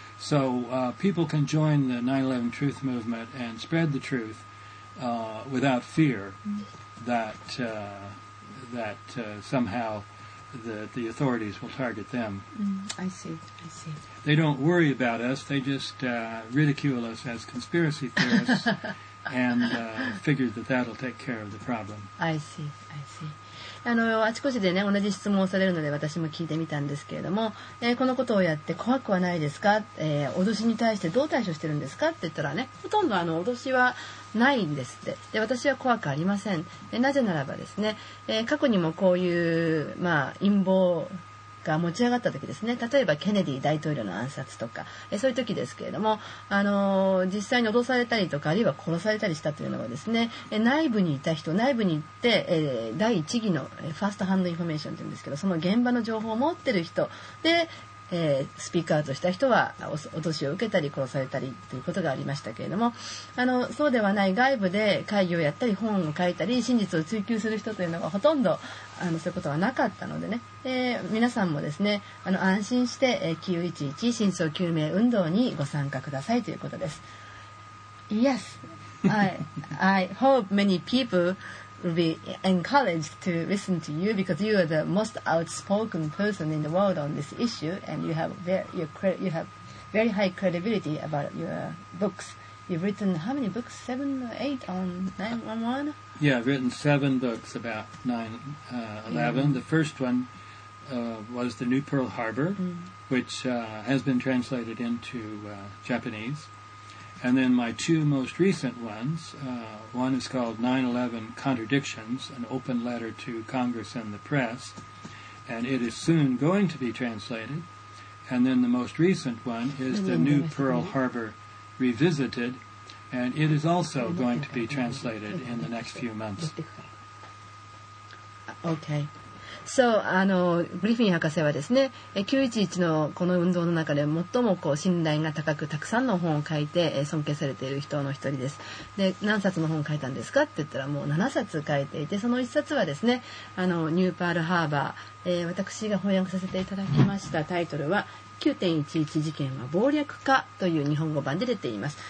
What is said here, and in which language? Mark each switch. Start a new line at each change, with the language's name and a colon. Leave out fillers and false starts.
English: So people can join the 9/11 truth movement and spread the truth without fear that somehow the authorities will target them. Mm-hmm. I see. They don't worry about us. They just ridicule us as conspiracy theorists and figure that that'll take care of the problem. I see.
Japanese: あちこちで、ね、同じ質問をされるので私も聞いてみたんですけれども、このことをやって怖くはないですか、脅しに対してどう対処してるんですかって言ったら、ね、ほとんど脅しはないんですって。で、私は怖くありません。なぜならばですね、過去にもこういう、陰謀が持ち上がった時ですね、例えばケネディ大統領の暗殺とか、そういう時ですけれども、実際に脅されたりとか、あるいは殺されたりしたというのはですね、内部にいた人、内部に行って、第一義のファーストハンドインフォメーションというんですけど、その現場の情報を持っている人で、スピークアウトした人は脅しを受けたり殺されたりということがありましたけれども、そうではない外部で会議をやったり本を書いたり真実を追求する人というのがほとんどそういうことはなかったのでね、皆さんもですね、安心して911真相究明運動にご参加くださいということです。
English: Yes, I hope many people will be encouraged to listen to you because you are the most outspoken person in the world on this issue, and you have very high credibility about your books. You've written how many books? 7 or 8 on 9/11? Yeah, I've written 7 books about 9/11. The first one was the New Pearl Harbor, which has been translated into Japanese. And then my two most recent ones, one is called 9/11 Contradictions, an open letter to Congress and the press, and it is soon going to be translated. And then the most recent one is the New Pearl Harbor Revisited, and it is also going to be translated in the next few months. Okay.
Japanese: So, グリフィン博士はですね、911のこの運動の中で最もこう信頼が高くたくさんの本を書いて尊敬されている人の一人です。で、何冊の本を書いたんですかって言ったらもう7冊書いていて、その1冊はですね、ニューパールハーバー、私が翻訳させていただきましたタイトルは 9.11 事件は謀略かという日本語版で出ています。